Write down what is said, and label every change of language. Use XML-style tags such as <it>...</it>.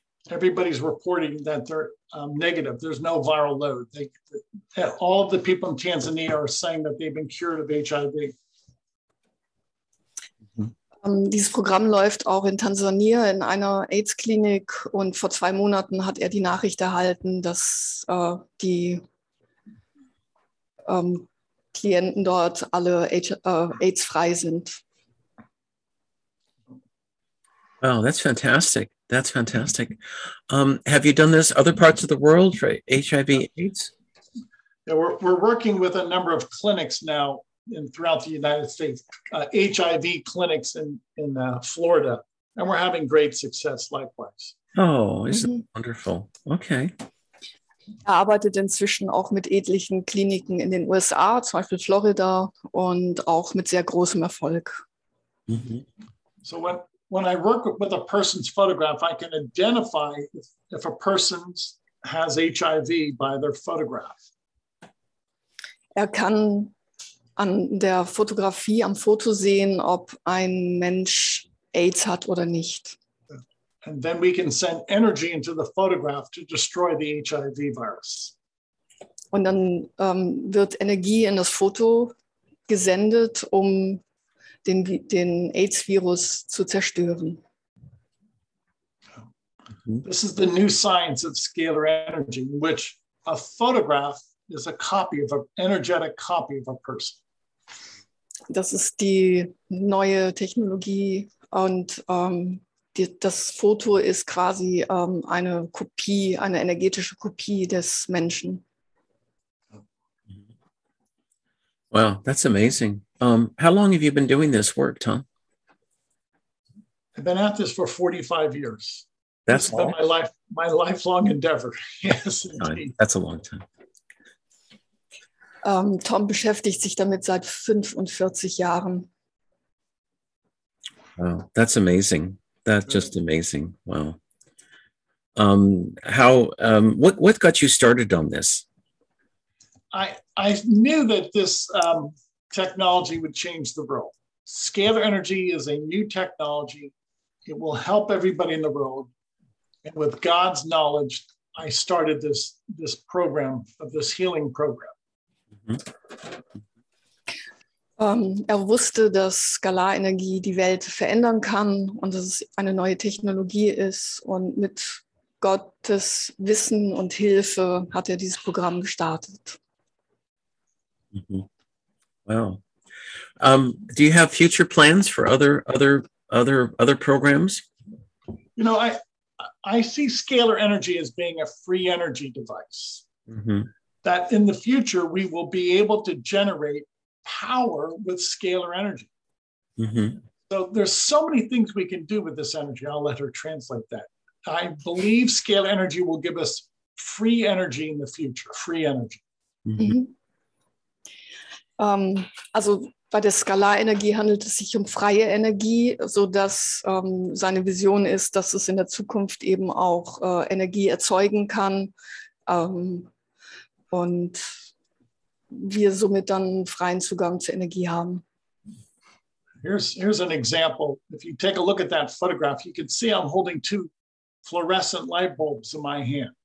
<en>Everybody's reporting that they're negative. There's no viral load. That all of the people in Tanzania are saying that they've been cured of HIV.</en> <de>Dieses Programm läuft auch in Tansania in einer AIDS-Klinik und vor 2 Monaten hat er die Nachricht erhalten, dass die Klienten dort alle AIDS-frei sind.</de> <en>Wow, that's fantastic. That's fantastic. Have you done this other parts of the world for HIV AIDS? Yeah, we're working with a number of clinics now and throughout the United States, HIV clinics in Florida, and we're having great success likewise. Oh, isn't that wonderful? Okay.</en> <de>Er arbeitet inzwischen auch mit etlichen Kliniken in den USA, zum Beispiel Florida, und auch mit sehr großem Erfolg.</de> <en>Mm-hmm. So when I work with a person's photograph, I can identify if a person has HIV by their photograph.</en> <de>Er kann an der Fotografie, am Foto sehen, ob ein Mensch AIDS hat oder nicht.</de> <en>And then we can send energy into the photograph to destroy the HIV virus.</en> <de>Und dann wird Energie in das Foto gesendet, um den AIDS-Virus zu zerstören.</de> <en>This is the new science of scalar energy, in which a photograph is a copy of an energetic copy of a person.</en> <de>Das ist die neue Technologie und das Foto ist quasi eine Kopie, eine energetische Kopie des Menschen.</de> <en>Wow, that's amazing. How long have you been doing this work, Tom? I've been at this for 45 years. That's been my lifelong endeavor. Yes, indeed. That's a long time.</en> <de>Tom beschäftigt sich damit seit 45 Jahren.</de> <en>Wow, that's amazing. That's just amazing. Wow. What got you started on this? I knew that this technology would change the world. Scalar energy is a new technology. It will help everybody in the world. And with God's knowledge, I started this program of this healing program.</en> <de>Er wusste, dass Skalarenergie die Welt verändern kann und dass es eine neue Technologie ist. Und mit Gottes Wissen und Hilfe hat er dieses Programm gestartet.</de> <en>Mm-hmm. Wow. Do you have future plans for other programs? You know, I see scalar energy as being a free energy device. Mm-hmm. That in the future, we will be able to generate power with scalar energy. Mm-hmm. So there's so many things we can do with this energy. I'll let her translate that. I believe scalar energy will give us free energy in the future, free energy. Mm-hmm.</en> <de>Also bei der Skalarenergie handelt es sich um freie Energie, sodass seine Vision ist, dass es in der Zukunft eben auch Energie erzeugen kann, und wir somit dann freien Zugang zu Energie haben.</de> <en>Here's an example. If you take a look at that photograph, you can see I'm holding 2 fluorescent light bulbs in my hand.</en>